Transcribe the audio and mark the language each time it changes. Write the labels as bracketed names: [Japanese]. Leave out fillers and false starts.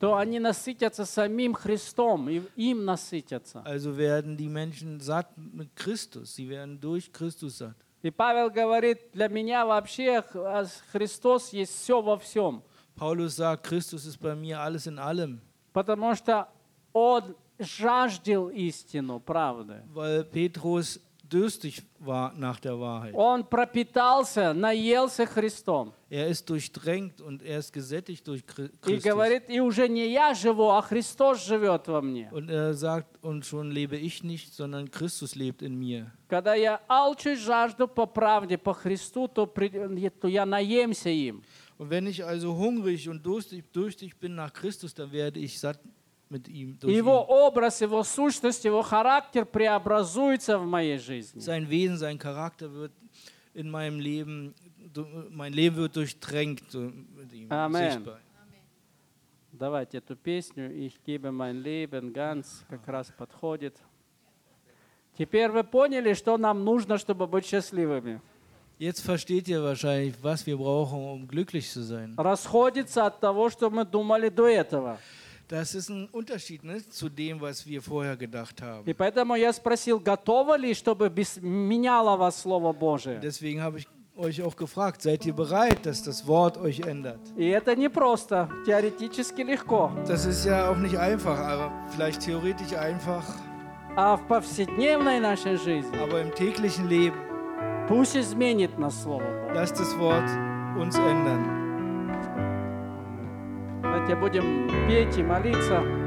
[Russian] То они насытятся самим Христом, им насытятся. [German] Also werden die Menschen satt mit Christus, sie werden durch Christus satt. [Russian] И Павел говорит, для меня вообще Христос есть все во всем. [German] Paulus sagt, Christus ist bei mir alles in allem. [Russian] Потому что он жаждал истину, правды. [German] Weil Petrus dürstig war nach der Wahrheit. [Russian] Он пропитался, наелся Христом. [German] Er ist durchdrängt und er ist gesättigt durch Christus. [Russian] И говорит, и уже не я живу, а Христос живет во мне. [German] Und er sagt, und schon lebe ich nicht, sondern Christus lebt in mir. [Russian] Когда я алчу и жажду по правде, по Христу, то я наемся им. [German] Und wenn ich also hungrig und durstig bin nach Christus, dann werde ich satt mit ihm, durch [Russian] его образ, его сущность, его характер преобразуется в моей жизни. [German] Sein Wesen, sein Charakter wird in meinem Leben, mein Leben wird durchdrängt mit ihm, Amen. Sichtbar. [Russian] Давайте эту песню, [German] ich gebe mein Leben ganz, [Russian] как раз подходит. Теперь вы поняли, что нам нужно, чтобы быть счастливыми. [German] Jetzt versteht ihr wahrscheinlich, was wir brauchen, um glücklich zu sein. [Russian] Расходится от того, что мы думали до этого. [German] Das ist ein Unterschied, ne, zu dem, was wir vorher gedacht haben. [Russian] И поэтому я спросил, готовы ли, чтобы меняло вас Слово Божие. [German] Deswegen habe ich euch auch gefragt, seid ihr bereit, dass das Wort euch ändert? [Russian] И это не просто, теоретически легко. [German] Das ist ja auch nicht einfach, aber vielleicht theoretisch einfach. [Russian] А в повседневной нашей жизни? [German] Aber im täglichen Leben. [Russian] Пусть изменит нас Слово Божие. [German] Lass das Wort uns ändern. [Russian] Давайте будем петь и молиться.